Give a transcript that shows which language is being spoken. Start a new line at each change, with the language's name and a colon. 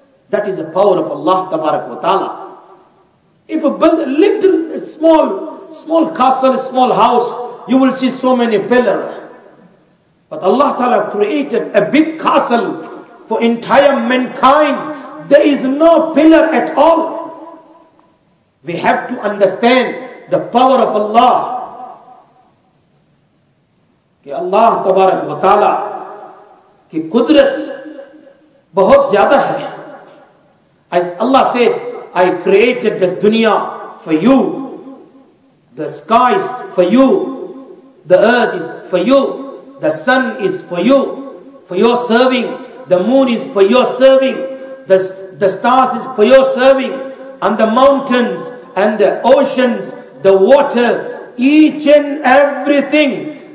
English: That is the power of Allah Tabarak wa Ta'ala. If you build a little, a small, small castle, a small house, you will see so many pillars. But Allah Ta'ala created a big castle for entire mankind. There is no pillar at all. We have to understand the power of Allah.
Urdu: کہ اللہ تبارک و تعالی کی قدرت بہت زیادہ ہے.
English: As Allah said, I created this dunya for you, the skies for you, the earth is for you, the sun is for your serving, the moon is for your serving, the stars is for your serving, and the mountains and the oceans, the water, each and everything.